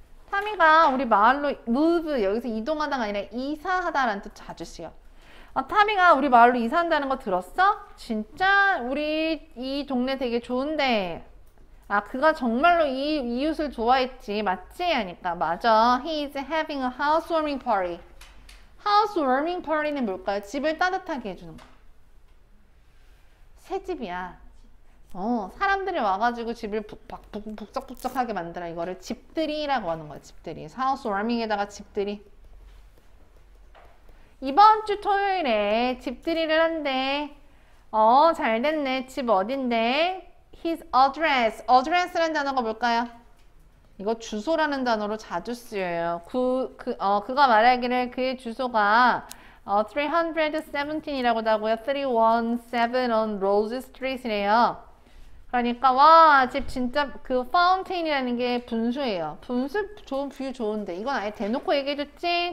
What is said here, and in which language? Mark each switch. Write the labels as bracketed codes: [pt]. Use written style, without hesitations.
[ko] 타미가 우리 마을로 move 여기서 이동하다가 아니라 이사하다라는 뜻 자주 쓰여. 아, 타미가 우리 마을로 이사한다는 거 들었어? 진짜 우리 이 동네 되게 좋은데. 아, 그가 정말로 이 이웃을 좋아했지. 맞지? 하니까 맞아. [en] He is having a housewarming party. [ko] Housewarming party는 뭘까요? 집을 따뜻하게 해주는 거. 새집이야. 사람들이 와가지고 집을 북적북적하게 만들어. 이거를 집들이라고 하는 거야. 집들이. Housewarming에다가 집들이. 이번 주 토요일에 집들이를 한대. 잘 됐네. 집 어딘데? [en] His address. [ko] address라는 단어가 뭘까요? 이거 주소라는 단어로 자주 쓰여요. 그가 말하기를 그의 주소가 317이라고 하고요. [en] 317 on Rose Street이래요. [ko] 그러니까 와, 집 진짜 그 파운테인이라는 게 분수예요. 분수 좋은 뷰 좋은데 이건 아예 대놓고 얘기해줬지?